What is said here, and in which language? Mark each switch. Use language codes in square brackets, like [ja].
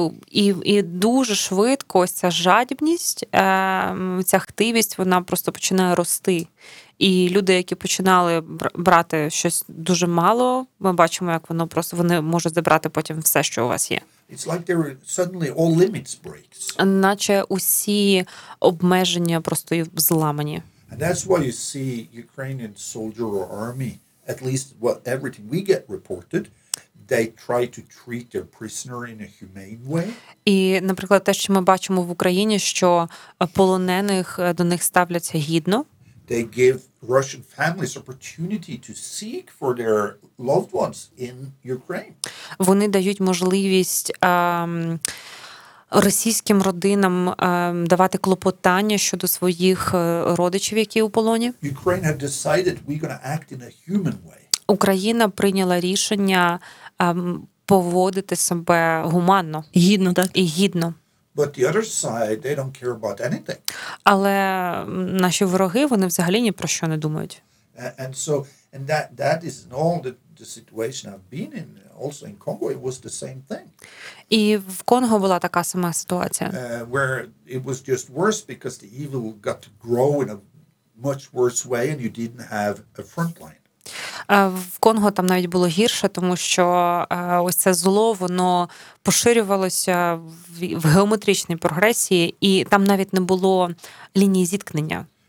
[uk] І дуже швидко ось ця жадібність, ця хтивість, вона просто починає рости. І люди, які починали брати щось дуже мало, ми бачимо, як воно просто вони можуть забрати потім все, що у вас є. [en] It's like there are suddenly all limits breaks. [uk] Наче усі обмеження просто зламані. [en] And that's why you see Ukrainian soldier or army, at least what everything we get reported, they try to treat their prisoner in a humane way. [uk] І, наприклад, те, що ми бачимо в Україні, що полонених до них ставляться гідно. [en] They give Russian families opportunity to seek for their loved ones in Ukraine. [uk] Вони дають можливість російським родинам давати клопотання щодо своїх родичів, які у полоні. [en] Ukraine had decided we're going to act in a human way. [uk] Україна прийняла рішення поводити себе гуманно. Гідно, так? І гідно. [en] But the other side, they don't care about anything. [uk] Але наші вороги, вони взагалі ні про що не думають. [en] And so, and that is in all the situation I've been in, also in Congo, it was the same thing. [uk] І в Конго була така сама ситуація. [en] Where it was just worse because the evil got to grow in a much worse way and you didn't have a front line. [uk] В Конго там навіть було гірше, тому що ось це зло, воно поширювалося в геометричній прогресії, і там навіть не було лінії зіткнення.